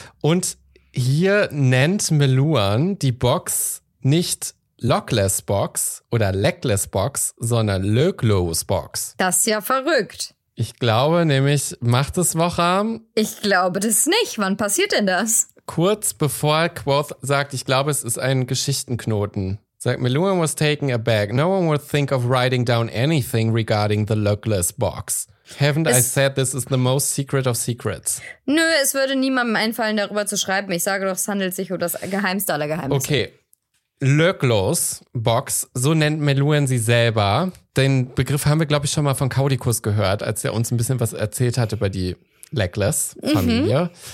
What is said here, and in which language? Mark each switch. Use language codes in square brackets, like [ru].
[de] Und hier nennt Meluan die Box nicht Lockless Box oder Leckless Box, sondern Löglos Box. Das ist ja verrückt. Ich glaube nämlich, macht es Wocham? Ich glaube das nicht. Wann passiert denn das? Kurz bevor Quoth sagt, ich glaube, es ist ein Geschichtenknoten. Sagt, [en] Meluan was taken aback. No one would think of writing down anything regarding the Lockless Box. I said this is the most secret of secrets? [de] Nö, es würde niemandem einfallen, darüber zu schreiben. Ich sage doch, es handelt sich um das Geheimste aller Geheimnisse. Okay, Lockless Box, so nennt Meluan sie selber. Den Begriff haben wir, glaube ich, schon mal von Caudicus gehört, als er uns ein bisschen was erzählt hat über die Lockless-Familie. Mhm.